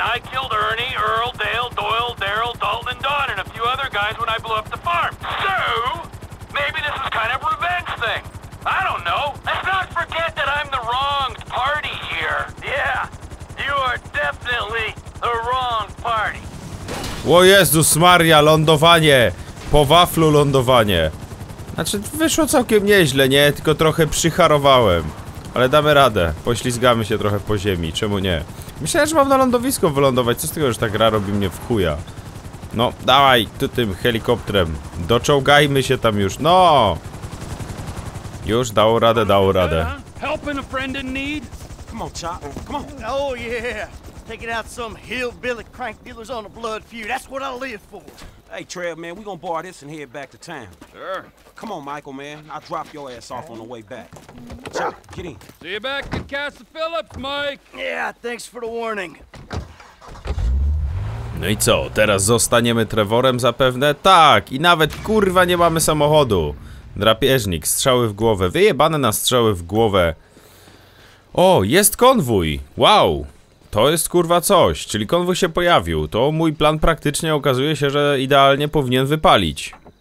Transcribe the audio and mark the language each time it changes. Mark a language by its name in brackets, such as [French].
[English] I killed Ernie, Earl, Dale, Doyle, Daryl, Dalton, Don, and a few other guys when I blew up the farm. So, maybe this is kind of a revenge thing. I don't know. Let's not forget that I'm the wrong party here. Yeah, you are definitely the wrong party. [Polish] O Jezus Maria, lądowanie. Po waflu lądowanie. Znaczy, wyszło całkiem nieźle, nie? Tylko trochę przycharowałem. Ale damy radę. Poślizgamy się trochę po ziemi. Czemu nie? Myślałem, że mam na lądowisko wylądować. Co z tego, że ta gra robi mnie w chuja? No, dawaj, tu tym helikopterem. Doczołgajmy się tam już. No! Już dało radę, dało radę. [English] Helping a friend in need? Come on, Chop. Come on. Oh, yeah. Taking out some hillbilly crank dealers on a blood feud. That's what I live for. Hey, Trev, man, we gonna borrow this and head back to town. Sure. Come on, Michael, man. I'll drop your ass off on the way back. Chop, get in. See you back at Castle Phillips, Mike. Yeah, thanks for the warning. [Polish] No i co? Teraz zostaniemy Trevorem zapewne? Tak, i nawet kurwa nie mamy samochodu. Drapieżnik, strzały w głowę. Wyjebane na strzały w głowę. O, jest konwój. Wow. To jest kurwa coś, czyli konwój się pojawił. To mój plan praktycznie okazuje się, że idealnie powinien wypalić.